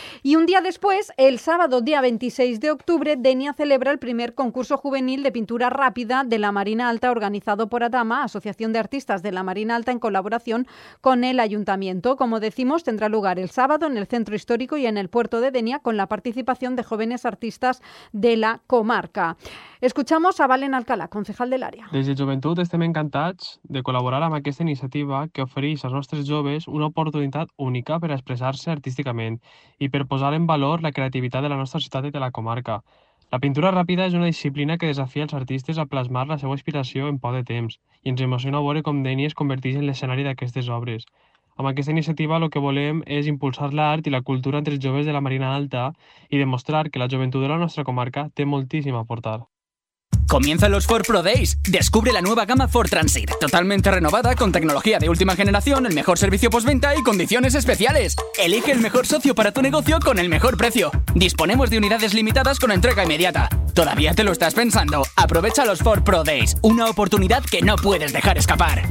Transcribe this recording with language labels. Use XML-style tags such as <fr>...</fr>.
<es>Y un día después, el sábado, día 26 de octubre, Denia celebra el primer concurso juvenil de pintura rápida de la Marina Alta, organizado por ADAMA, Asociación de Artistas de la Marina Alta, en colaboración con el Ayuntamiento. Como decimos, tendrá lugar el sábado en el Centro Histórico y en el Puerto de Denia, con la participación de jóvenes artistas de la comarca. Escuchamos a Valen Alcalá, concejal del área.</es> <ca>Desde Joventut estem encantats de col·laborar amb aquesta iniciativa que ofereix als nostres joves una oportunitat única per a expressar-se artísticament i per posar en valor la creativitat de la nostra ciutat i de la comarca. La pintura ràpida és una disciplina que desafia els artistes a plasmar la seva inspiració en poc de temps i ens emociona veure com Denia es converteix en l'escenari d'aquestes obres. Amb aquesta iniciativa el que volem és impulsar l'art i la cultura entre els joves de la Marina Alta i demostrar que la joventut de la nostra comarca té moltíssim a portar.</ca> <es>Comienzan los Ford Pro Days. Descubre la nueva gama Ford Transit, totalmente renovada, con tecnología de última generación, el mejor servicio postventa y condiciones especiales. Elige el mejor socio para tu negocio con el mejor precio. Disponemos de unidades limitadas con entrega inmediata. ¿Todavía te lo estás pensando? Aprovecha los Ford Pro Days, una oportunidad que no puedes dejar escapar.</es>